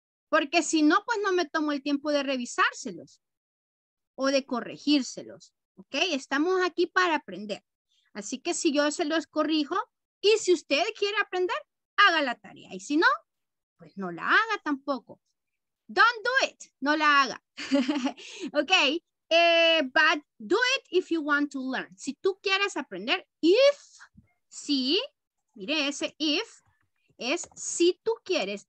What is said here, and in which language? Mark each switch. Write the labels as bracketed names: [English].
[Spanish] Porque si no, pues no me tomo el tiempo de revisárselos o de corregírselos, ¿ok? Estamos aquí para aprender. Así que si yo se los corrijo, y si usted quiere aprender, haga la tarea. Y si no, pues no la haga tampoco. [English] Don't do it. [Spanish] No la haga. [English] Ok. But do it if you want to learn. [Spanish] Si tú quieres aprender, if, si, mire ese if, es si tú quieres.